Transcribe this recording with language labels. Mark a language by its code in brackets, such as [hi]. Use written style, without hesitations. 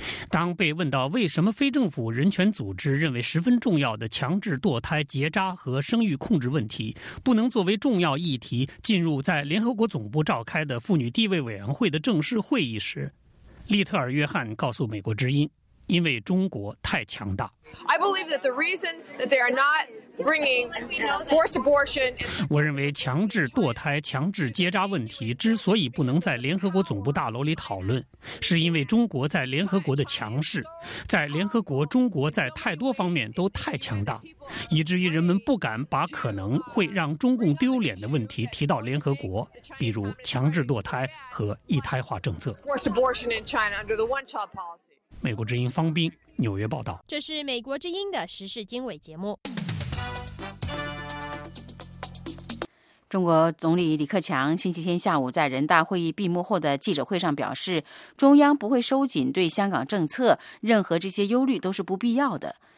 [zh] 当被问到为什么非政府人权组织认为十分重要的强制堕胎、结扎和生育控制问题不能作为重要议题进入在联合国总部召开的妇女地位委员会的正式会议时，利特尔·约翰告诉美国之音，因为中国太强大。 [en] I believe that the reason that they are not bringing forced abortion. [zh] 我认为强制堕胎、强制结扎问题之所以不能在联合国总部大楼里讨论，是因为中国在联合国的强势，在联合国，中国在太多方面都太强大，以至于人们不敢把可能会让中共丢脸的问题提到联合国，比如强制堕胎和一胎化政策。 [en] Forced abortion in China under the one-child policy. [zh] 美国之音方斌，纽约报道。这是美国之音的时事经纬节目。中国总理李克强星期天下午在人大会议闭幕后的记者会上表示，中央不会收紧对香港政策，任何这些忧虑都是不必要的。